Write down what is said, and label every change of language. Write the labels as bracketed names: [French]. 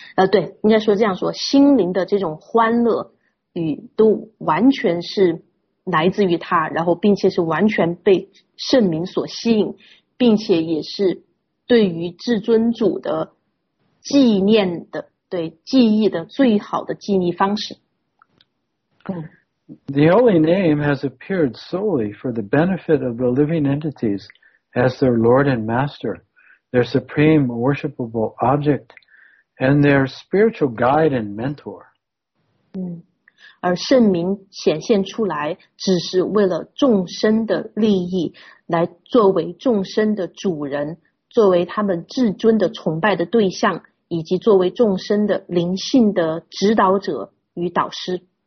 [Chinese] 对，应该说这样说，心灵的这种欢乐与都完全是来自于它，然后并且是完全被圣名所吸引，并且也是对于至尊主的纪念的，对记忆的最好的记忆方式。 [English] The holy name has appeared solely for the benefit of the living entities as their Lord and Master, their supreme worshipable object, and their spiritual guide and mentor. [Chinese] 而圣名显现出来只是为了众生的利益，来作为众生的主人，作为他们至尊的崇拜的对象，以及作为众生的灵性的指导者与导师。